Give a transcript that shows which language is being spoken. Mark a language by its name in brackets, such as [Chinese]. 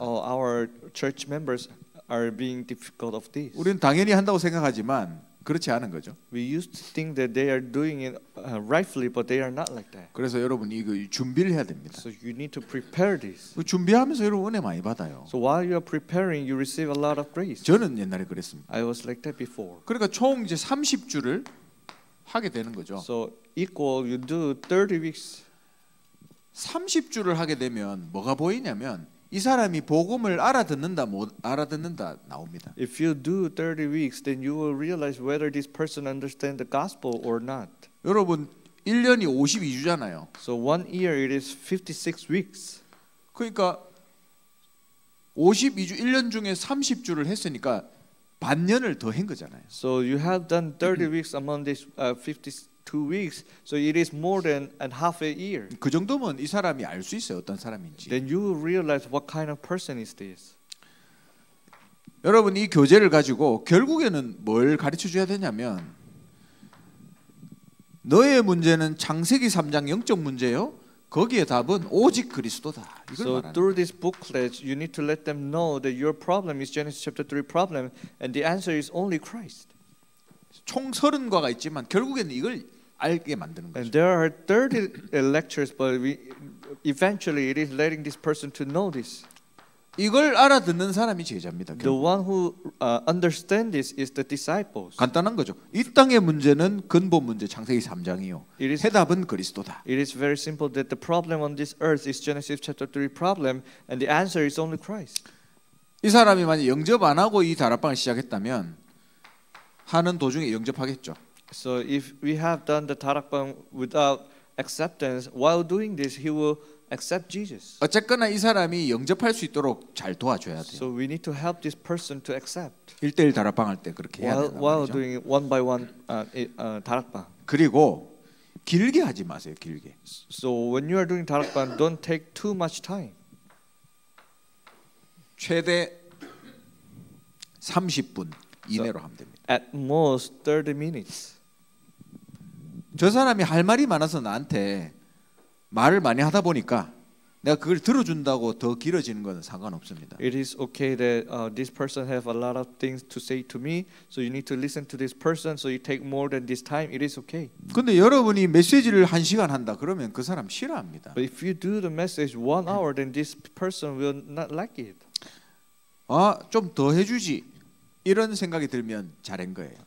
[English] Oh, our church members are being difficult of this. [Korean] 우리는 당연히 한다고 생각하지만 그렇지 않은 거죠. [English] We used to think that they are doing it rightfully, but they are not like that. [Korean] 그래서 여러분 이거 준비를 해야 됩니다. [English] So you need to prepare this. [Korean] 준비하면서 여러분 은혜 많이 받아요. [English] So while you are preparing, you receive a lot of grace. [Korean] 저는 옛날에 그랬습니다. [English] I was like that before. [Korean] 그러니까 총 이제 30주를 하게 되는 거죠. [English] So equal you do 30 weeks. [Korean] 30주를 하게 되면 뭐가 보이냐면 이 사람이 복음을 알아듣는다 못 알아듣는다 나옵니다. [English] If you do 30 weeks then you will realize whether this person understand the gospel or not. [Korean] 여러분 1년이 52주잖아요. [English] So one year it is 56 weeks. [Korean] 그러니까 52주 1년 중에 30주를 했으니까 반년을 더 한 거잖아요. [English] So you have done 30 weeks among this 52 weeks, so it is more than and half a year. [Korean] 그 정도면 이 사람이 알 수 있어요 어떤 사람인지. [English] Then you will realize what kind of person is this. [Korean] 여러분 이 교재를 가지고 결국에는 뭘 가르쳐 줘야 되냐면 너의 문제는 창세기 3장 영적 문제요. 거기에 답은 오직 그리스도다. 이걸 [English] so through this booklet, you need to let them know that your problem is Genesis chapter 3 problem, and the answer is only Christ. [Korean] 총 30과가 있지만 결국에는 이걸 알게 만드는 거죠. [English] And there are 30 lectures, but eventually it is letting this person to know this. [Korean] 이걸 알아듣는 사람이 제자입니다. [English] The one who understand this is the disciples. [Korean] 간단한 거죠. 이 땅의 문제는 근본 문제 창세기 3장이요. 해답은 그리스도다. [English] It is very simple that the problem on this earth is Genesis chapter 3 problem, and the answer is only Christ. [Korean] 이 사람이 만약 영접 안 하고 이 다락방을 시작했다면 하는 도중에 영접하겠죠. [English] So if we have done the Darakbang without acceptance, while doing this, he will accept Jesus. [Korean] 어쨌거나 이 사람이 영접할 수 있도록 잘 도와줘야 돼요. [English] So we need to help this person to accept. [Korean] 1대1 다락방 할 때 그렇게 해야 된다는 거죠. [English] While doing one by one Darakbang. [Korean] 그리고 길게 하지 마세요, 길게. [English] So when you are doing Darakbang, don't take too much time. [Korean] 최대 30분 이내로 하면 됩니다. [English] At most 30 minutes. [Korean] 저 사람이 할 말이 많아서 나한테 말을 많이 하다 보니까 내가 그걸 들어준다고 더 길어지는 건 상관없습니다. [English] It is okay that this person have a lot of things to say to me, so you need to listen to this person, so you take more than this time. It is okay. [Korean] 근데 여러분이 메시지를 한 시간 한다 그러면 그 사람 싫어합니다. [English] But if you do the message one hour, then this person will not like it. [Korean] 아, 좀 더 해주지. 이런 생각이 들면 잘한 거예요.